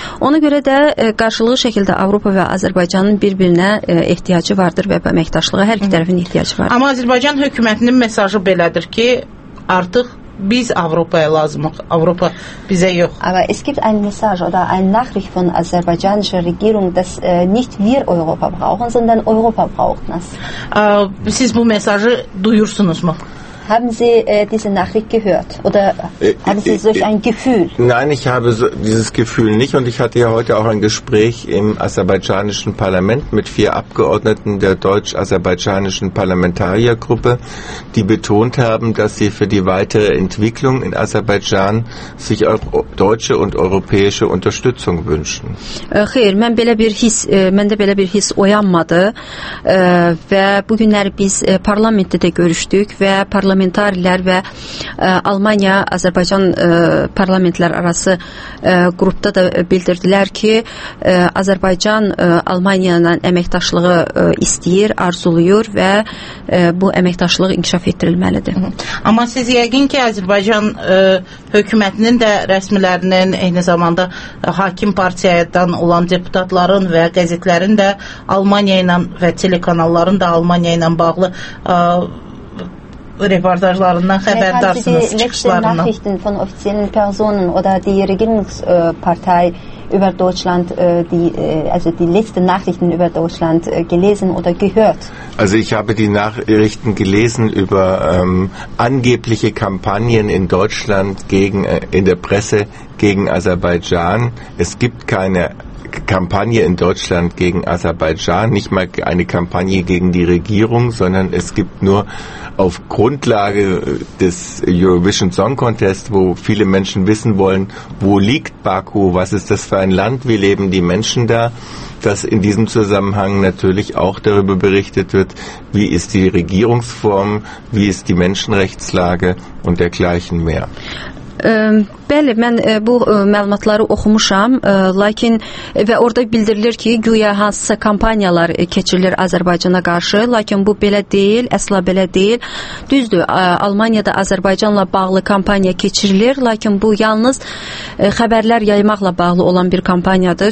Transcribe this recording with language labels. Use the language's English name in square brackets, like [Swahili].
[Azerbaijani] Ona görə də qarşılıqlı şəkildə Avropa və Azərbaycanın bir-birinə ehtiyacı vardır və əməkdaşlığa hər iki tərəfin ehtiyacı vardır. Amma Azərbaycan hökumətinin mesajı belədir ki, artıq biz Avropaya lazımıq, Avropa bizə yox. [German] Aber es gibt ein Message oder eine Nachricht von aserbaidschanischer Regierung, dass nicht wir Europa brauchen, sondern Europa braucht uns. [Azerbaijani] Siz bu mesajı duyursunuz mu? [German] Haben Sie diese Nachricht gehört oder haben Sie solch ein Gefühl? Nein, ich habe so dieses Gefühl nicht und ich hatte ja heute auch ein Gespräch im aserbaidschanischen Parlament mit vier Abgeordneten der deutsch-aserbaidschanischen Parlamentariergruppe, die betont haben, dass sie für die weitere Entwicklung in Aserbaidschan sich deutsche und europäische Unterstützung wünschen. [Azerbaijani] Xeyr, mən belə bir his, məndə belə bir his oyanmadı və bu günləri biz parlamentdə də görüşdük və parlamentarilər və Almanya Azərbaycan parlamentlər arası qrupda da bildirdilər ki, Azərbaycan Almanya ilə əməkdaşlığı istəyir, arzuluyor və bu əməkdaşlıq inkişaf etdirilməlidir. Amma siz yəqin ki, Azərbaycan hökumətinin də rəsmilərinin, eyni zamanda hakim partiyadan olan deputatların və qəzetlərin də Almanya ilə və telekanalların da Almanya ilə bağlı reportajlarından xəbərdarsınız, çıxışlarından. [German] Die Nachrichten von offiziellen Personen oder die Regierungspartei über Deutschland, die letzten Nachrichten über Deutschland gelesen oder gehört? Also ich habe die Nachrichten gelesen über angebliche Kampagnen in Deutschland gegen in der Presse gegen Aserbaidschan. Es gibt keine Kampagne in Deutschland gegen Aserbaidschan, nicht mal eine Kampagne gegen die Regierung, sondern es gibt nur auf Grundlage des Eurovision Song Contest, wo viele Menschen wissen wollen, wo liegt Baku, was ist das für ein Land, wie leben die Menschen da, dass in diesem Zusammenhang natürlich auch darüber berichtet wird, wie ist die Regierungsform, wie ist die Menschenrechtslage und dergleichen mehr. [Azerbaijani] Bəli, mən bu məlumatları oxumuşam, lakin və orada bildirilir ki, güya hansısa kampaniyalar keçirilir Azərbaycana qarşı, lakin bu belə deyil, əsla belə deyil. Düzdür, Almaniyada Azərbaycanla bağlı kampaniya keçirilir, lakin bu yalnız xəbərlər yaymaqla bağlı olan bir kampaniyadır.